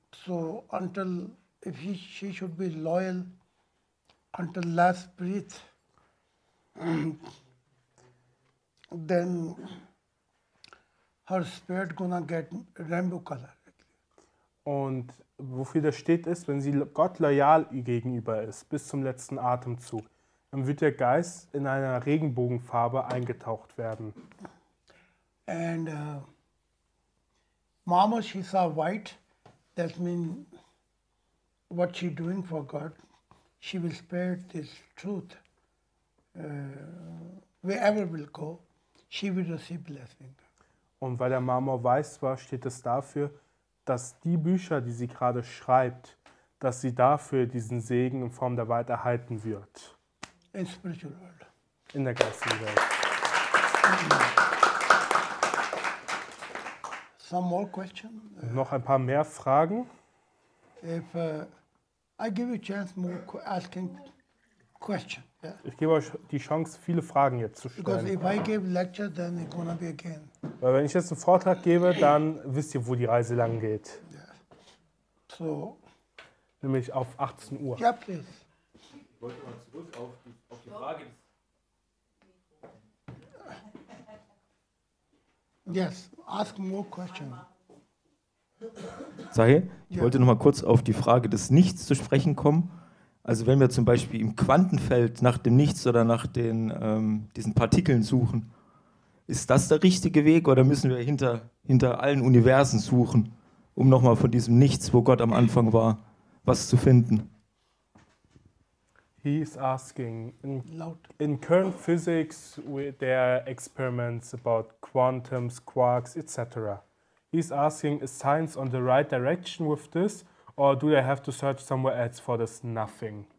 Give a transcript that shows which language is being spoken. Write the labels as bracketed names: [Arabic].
[English] So until if he, she should be loyal until last breath, then her spirit gonna get rainbow color. [German] Und wofür das steht ist, wenn sie Gott loyal gegenüber ist, bis zum letzten Atemzug, dann wird der Geist in einer Regenbogenfarbe eingetaucht werden. [English] And Mama, she saw white, that means what she doing for God, she will spare this truth. Wherever will go, she will receive blessing. [German] Und weil der Marmor weiß war, steht es dafür, dass die Bücher, die sie gerade schreibt, dass sie dafür diesen Segen in Form der Wahrheit erhalten wird. [English] In spiritual world. [German] In der geistigen Welt. [English] Some more question? [German] Noch ein paar mehr Fragen? [English] If, I give you a chance more asking question, yeah? [German] Ich gebe euch die Chance, viele Fragen jetzt zu stellen. [English] Because if I give lecture, then it's gonna be again. [German] Weil wenn ich jetzt einen Vortrag gebe, dann wisst ihr, wo die Reise lang geht. [English] Yeah. So. [German] Nämlich auf 18 Uhr. [English] Ja, yeah, please. [German] Ich wollte mal zurück auf die Frage. [English] Yes, ask more questions. [German] Sahil, ich wollte noch mal kurz auf die Frage des Nichts zu sprechen kommen. Also wenn wir zum Beispiel im Quantenfeld nach dem Nichts oder nach den, diesen Partikeln suchen, ist das der richtige Weg oder müssen wir hinter allen Universen suchen, um noch mal von diesem Nichts, wo Gott am Anfang war, was zu finden? [English] He is asking, in current physics, there are experiments about quantums, quarks, etc. He's asking, is science on the right direction with this, or do they have to search somewhere else for this nothing?